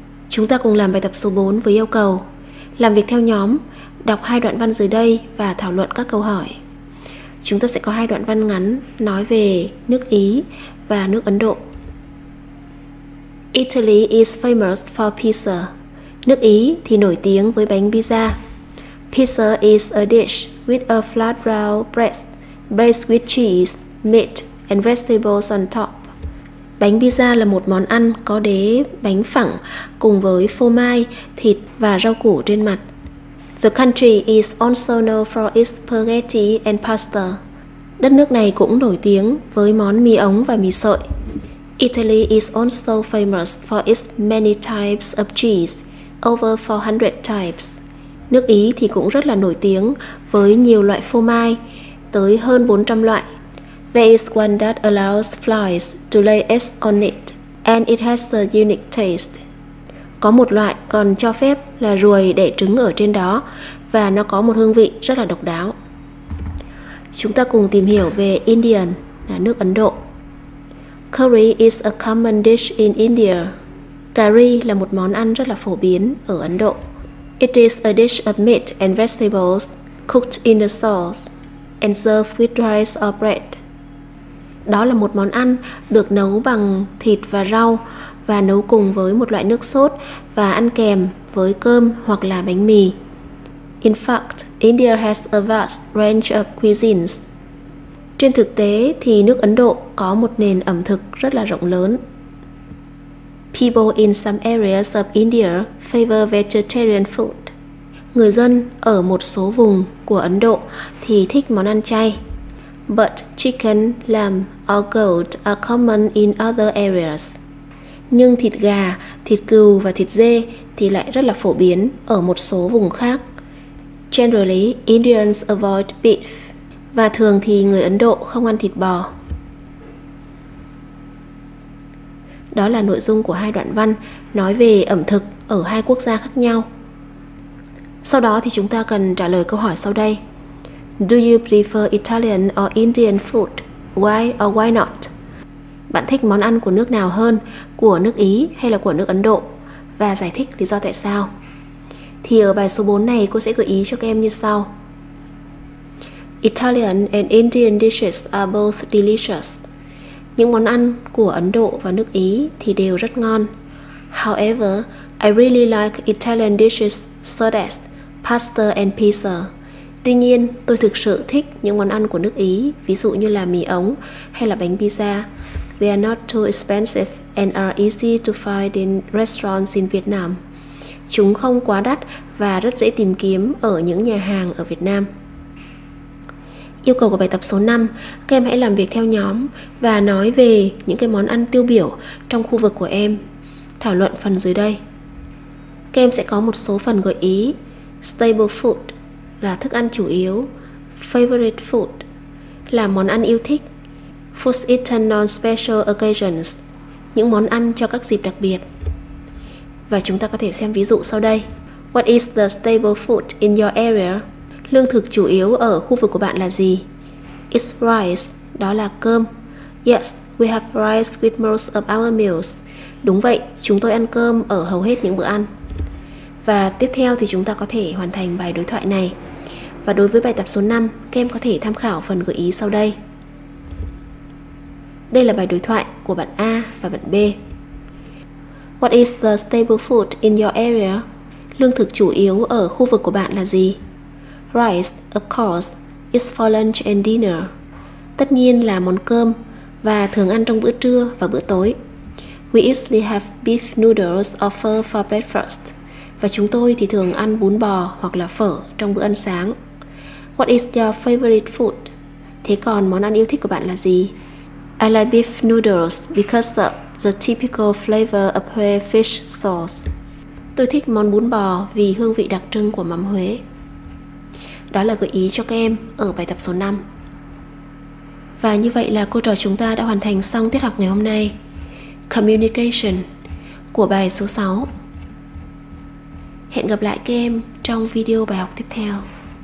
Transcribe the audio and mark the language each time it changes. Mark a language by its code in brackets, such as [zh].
[vi] Chúng ta cùng làm bài tập số 4 với yêu cầu làm việc theo nhóm, đọc hai đoạn văn dưới đây và thảo luận các câu hỏi. Chúng ta sẽ có hai đoạn văn ngắn nói về nước Ý và nước Ấn Độ. [en] Italy is famous for pizza. [vi] Nước Ý thì nổi tiếng với bánh pizza. [en] Pizza is a dish with a flat brown bread, braised with cheese, meat and vegetables on top. [vi] Bánh pizza là một món ăn có đế bánh phẳng cùng với phô mai, thịt và rau củ trên mặt. [en] The country is also known for its spaghetti and pasta. [vi] Đất nước này cũng nổi tiếng với món mì ống và mì sợi. [en] Italy is also famous for its many types of cheese, over 400 types. [vi] Nước Ý thì cũng rất là nổi tiếng với nhiều loại phô mai, tới hơn 400 loại. [en] There is one that allows flies to lay eggs on it, and it has a unique taste. [vi] Có một loại còn cho phép là ruồi đẻ trứng ở trên đó, và nó có một hương vị rất là độc đáo. Chúng ta cùng tìm hiểu về Indian, là nước Ấn Độ. [en] Curry is a common dish in India. [vi] Cà ri là một món ăn rất là phổ biến ở Ấn Độ. [en] It is a dish of meat and vegetables cooked in a sauce and served with rice or bread. [vi] Đó là một món ăn được nấu bằng thịt và rau và nấu cùng với một loại nước sốt và ăn kèm với cơm hoặc là bánh mì. [en] In fact, India has a vast range of cuisines. [vi] Trên thực tế thì nước Ấn Độ có một nền ẩm thực rất là rộng lớn. [en] People in some areas of India favor vegetarian food. [vi] Người dân ở một số vùng của Ấn Độ thì thích món ăn chay. [en] But chicken, lamb or goat are common in other areas. [vi] Nhưng thịt gà, thịt cừu và thịt dê thì lại rất là phổ biến ở một số vùng khác. [en] Generally, Indians avoid beef. [vi] Và thường thì người Ấn Độ không ăn thịt bò. Đó là nội dung của hai đoạn văn nói về ẩm thực ở hai quốc gia khác nhau. Sau đó thì chúng ta cần trả lời câu hỏi sau đây. [en] Do you prefer Italian or Indian food? Why or why not? [vi] Bạn thích món ăn của nước nào hơn, của nước Ý hay là của nước Ấn Độ? Và giải thích lý do tại sao? Thì ở bài số 4 này cô sẽ gợi ý cho các em như sau. [en] Italian and Indian dishes are both delicious. [vi] Những món ăn của Ấn Độ và nước Ý thì đều rất ngon. [en] However, I really like Italian dishes such as pasta and pizza. [vi] Tuy nhiên, tôi thực sự thích những món ăn của nước Ý, ví dụ như là mì ống hay là bánh pizza. [en] They are not too expensive and are easy to find in restaurants in Vietnam. [vi] Chúng không quá đắt và rất dễ tìm kiếm ở những nhà hàng ở Việt Nam. Yêu cầu của bài tập số 5, các em hãy làm việc theo nhóm và nói về những cái món ăn tiêu biểu trong khu vực của em. thảo luận phần dưới đây. Các em sẽ có một số phần gợi ý. Staple food là thức ăn chủ yếu. Favorite food là món ăn yêu thích. [en] Foods eaten on special occasions, [vi] những món ăn cho các dịp đặc biệt. Và chúng ta có thể xem ví dụ sau đây. [en] What is the staple food in your area? [vi] Lương thực chủ yếu ở khu vực của bạn là gì? [en] It's rice, [vi] đó là cơm. [en] Yes, we have rice with most of our meals. [vi] Đúng vậy, chúng tôi ăn cơm ở hầu hết những bữa ăn. Và tiếp theo thì chúng ta có thể hoàn thành bài đối thoại này. Và đối với bài tập số 5, các em có thể tham khảo phần gợi ý sau đây. Đây là bài đối thoại của bạn A và bạn B. [en] What is the staple food in your area? [vi] Lương thực chủ yếu ở khu vực của bạn là gì? [en] Rice, of course, is for lunch and dinner. [vi] Tất nhiên là món cơm và thường ăn trong bữa trưa và bữa tối. [en] We usually have beef noodles offered for breakfast. [vi] Và chúng tôi thì thường ăn bún bò hoặc là phở trong bữa ăn sáng. [en] What is your favorite food? [vi] Thế còn món ăn yêu thích của bạn là gì? [en] I like beef noodles because of the typical flavor of Huế fish sauce. [vi] Tôi thích món bún bò vì hương vị đặc trưng của mắm Huế. Đó là gợi ý cho các em ở bài tập số 5. Và như vậy là cô trò chúng ta đã hoàn thành xong tiết học ngày hôm nay. Communication của bài số 6. Hẹn gặp lại các em trong video bài học tiếp theo.